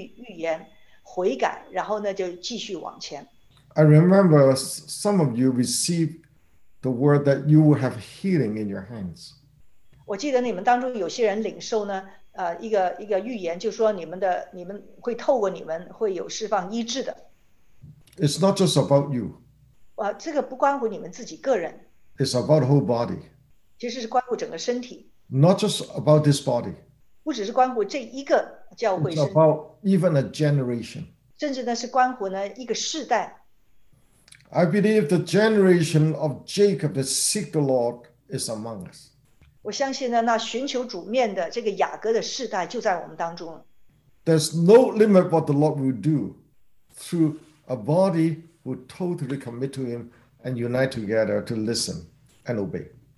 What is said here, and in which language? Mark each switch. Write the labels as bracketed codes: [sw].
[zh] 跟那个预备呢，就是呢，回头看过去呢，给我们的这些预言，悔改，然后呢，就继续往前。 [en] I remember some of you received the word that you will have healing in your hands. [zh] 我记得你们当中有些人领受呢，一个预言，就说你们会透过你们会有释放医治的。 [en] It's not just about you. [zh] 这个不关乎你们自己个人。 [en] It's about the whole body. [zh] 其实是关乎整个身体。 [en] Not just about this body. [zh] 不只是关乎这一个教会, [en] it's about even a generation. [zh] 甚至呢是关乎呢一个世代。 [en] I believe the generation of Jacob that seek the Lord is among us. [zh] 我相信呢那寻求主面的这个雅各的世代就在我们当中。 [en] There's no limit what the Lord will do through a body who totally commit to Him and unite together to listen and obey.